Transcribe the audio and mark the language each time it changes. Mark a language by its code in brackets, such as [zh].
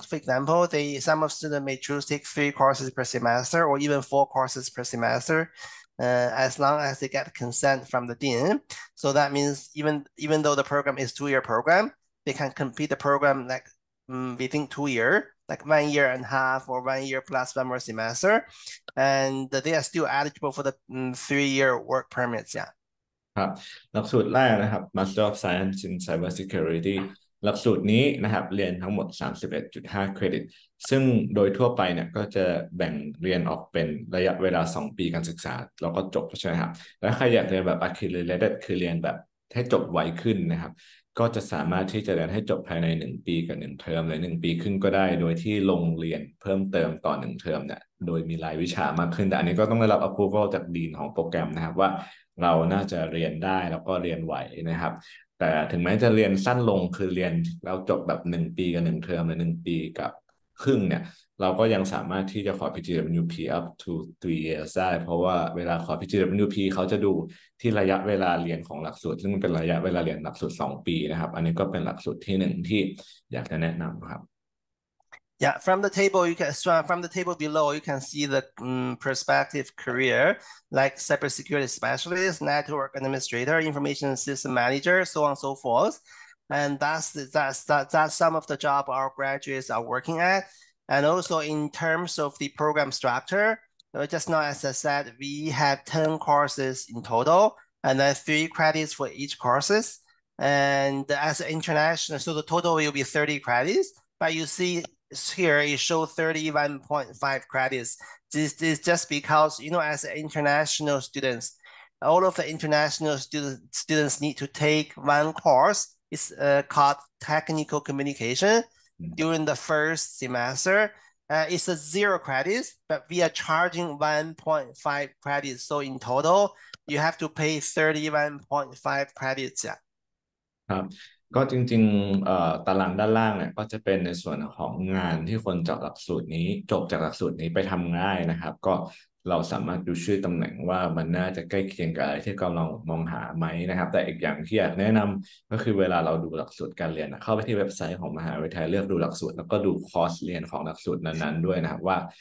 [en] For example, some of students may choose to take 3 courses per semester or even 4 courses per semester, as long as they get consent from the dean. So that means even though the program is 2-year program, they can complete the program within 2 years, 1 year and a half or 1 year plus 1 more semester, and they are still eligible for the 3-year work permits. Yeah. [th] ครับ หลักสูตรแรกนะครับ Master of Science in Cybersecurity หลักสูตรนี้นะครับเรียนทั้งหมด 31.5 เครดิตซึ่งโดยทั่วไปเนี่ยก็จะแบ่งเรียนออกเป็นระยะเวลา2ปีการศึกษาแล้วก็จบใช่ไหมครับแล้วใครอยากเรียนแบบ Accelerated คือเรียนแบบให้จบไวขึ้นนะครับ ก็จะสามารถที่จะเรียนให้จบภายใน1ปีกับ1เทอมหรือ1ปีครึ่งก็ได้โดยที่ลงเรียนเพิ่มเติมต่อ1เทอมเนี่ยโดยมีรายวิชามากขึ้นแต่อันนี้ก็ต้องได้รับ approval จากดีนของโปรแกรมนะครับว่าเราน่าจะเรียนได้แล้วก็เรียนไหวนะครับแต่ถึงแม้จะเรียนสั้นลงคือเรียนแล้วจบแบบ1ปีกับ1เทอมหรือ1ปีกับ ครึ่งเนี่ยเราก็ยังสามารถที่จะขอ PGWP [en] up to 3 years [th] ได้เพราะว่าเวลาขอ PGWP เขาจะดูที่ระยะเวลาเรียนของหลักสูตรซึ่งมันเป็นระยะเวลาเรียนหลักสูตร2ปีนะครับอันนี้ก็เป็นหลักสูตรที่1ที่อยากจะแนะนำครับ [en] Yeah, from the table you can from the table below you can see the prospective career like cybersecurity specialist, network administrator, information system manager, so on and so forth, and that's some of the job our graduates are working at. And also in terms of the program structure, just now as I said, we have 10 courses in total, and then 3 credits for each courses. And as an international, so the total will be 30 credits. But you see here, it shows 31.5 credits. This is just because, you know, as international students, all of the international students need to take 1 course. It's called technical communication. During the first semester, it's a 0 credits, but we are charging 1.5 credits. So in total, you have to pay 31.5 credits. Yeah. [th] ครับก็จริงๆตารางด้านล่างเนี่ยก็จะเป็นในส่วนของงานที่คนจบหลักสูตรนี้จบจากหลักสูตรนี้ไปทำง่ายนะครับก็เราสามารถดูชื่อตำแหน่งว่ามันน่าจะใกล้เคียงกับอะไรที่กำลังมองหาไหมนะครับแต่อีกอย่างที่อยากแนะนำก็คือเวลาเราดูหลักสูตรการเรียนนะเข้าไปที่เว็บไซต์ของมหาวิทยาลัยเลือกดูหลักสูตรแล้วก็ดูคอร์สเรียนของหลักสูตรนั้นๆด้วยนะครับว่า